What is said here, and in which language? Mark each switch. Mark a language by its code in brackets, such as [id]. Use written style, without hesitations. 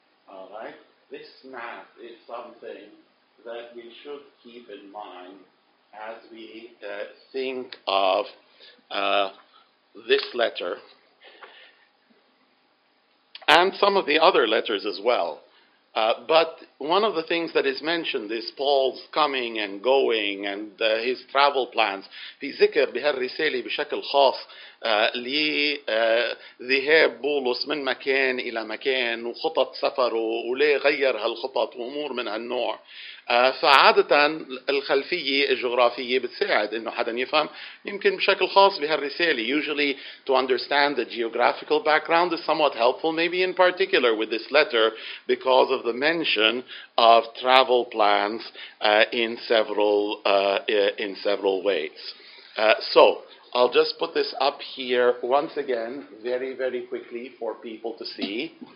[en] All right, this map is something that we should keep in mind as we think of this letter and some of the other letters as well. But one of the things that is mentioned is Paul's coming and going and his travel plans. [ar] في ذكر بهالرسالة بشكل خاص لذهاب بولس من مكان إلى مكان وخطط سفره وليه غير هالخطط وأمور من هالنوع. فعادة الخلفية الجغرافية بتساعد إنه حدا يفهم يمكن بشكل خاص بهالرسالة. [en] Usually to understand the geographical background is somewhat helpful, maybe in particular with this letter because of the mention of travel plans in several ways. So I'll just put this up here once again, very, very quickly for people to see.